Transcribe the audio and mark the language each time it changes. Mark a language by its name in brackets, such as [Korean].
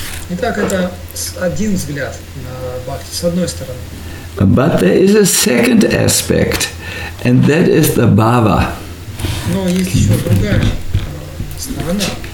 [Russian] Итак, это один взгляд на бхакти, с одной стороны. [English] But there is a second aspect, and that is the bhava. [Russian] Но есть еще другая сторона.